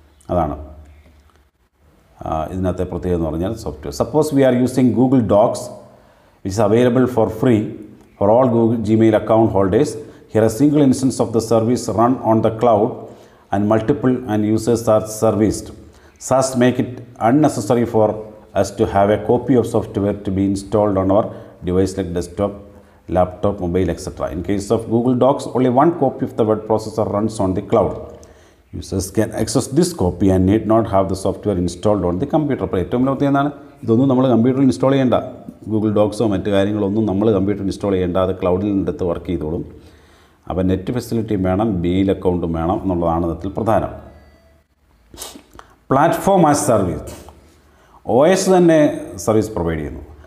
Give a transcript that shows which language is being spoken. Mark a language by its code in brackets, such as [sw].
[ml] അതാണ് ഇതിനകത്തെ പ്രത്യേകത എന്ന് പറഞ്ഞാൽ software. [en] Suppose we are using Google Docs which is available for free for all Google Gmail account holders. Here a single instance of the service run on the cloud and multiple and users are serviced. SaaS make it unnecessary for us to have a copy of software to be installed on our device like desktop, laptop, mobile, etc. In case of Google Docs, only one copy of the word processor runs on the cloud. Users can access this copy and need not have the software installed on the computer. [ml] ഏറ്റവും വലിയ പ്രശ്നം എന്താണ്? ഇതൊന്നും നമ്മൾ കമ്പ്യൂട്ടറിൽ install ചെയ്യേണ്ട, Google ഡോക്സോ മറ്റു കാര്യങ്ങളൊന്നും നമ്മൾ കമ്പ്യൂട്ടറിൽ ഇൻസ്റ്റാൾ ചെയ്യേണ്ട, അത് ക്ലൗഡിൽ നിന്നെടുത്ത് വർക്ക് ചെയ്തോളും. അപ്പോൾ നെറ്റ് ഫെസിലിറ്റിയും വേണം, ബിയിൽ അക്കൗണ്ടും വേണം എന്നുള്ളതാണ് ഇതിൽ പ്രധാനം. പ്ലാറ്റ്ഫോം ആസ് സർവീസ്, OS തന്നെ സർവീസ് പ്രൊവൈഡ് ചെയ്യുന്നു.